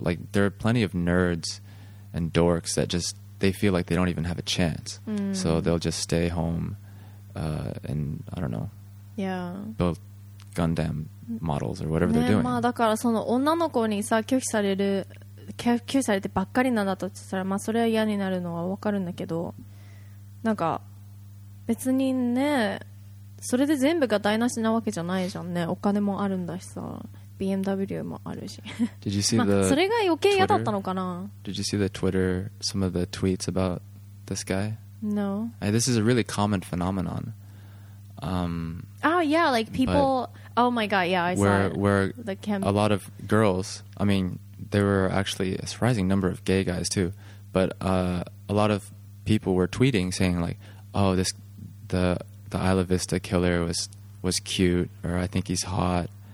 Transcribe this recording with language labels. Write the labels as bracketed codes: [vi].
[en] Like, there are plenty of nerds and dorks that just, they feel like they don't even have a chance. So they'll just stay home and, I don't know, build Gundam models or whatever they're doing. [ja] まあだからその女の子にさ拒否される、拒否されてばっかりなんだとしたら、まあそれは嫌になるのはわかるんだけど、なんか別にね、それで全部が台無しなわけじゃないじゃんね。お金もあるんだしさ、BMW もあるし。 [en] Did you see the [ja] それが余計嫌だったのかな。 [en] Did you see the Twitter, some of the tweets about this guy? No. This is a really common phenomenon. Oh yeah, like people. Oh my god, yeah, I saw a lot of girls. I mean, there were actually a surprising number of gay guys too, but a lot of people were tweeting saying like, "Oh, this the Isla Vista killer was cute, or I think he's hot."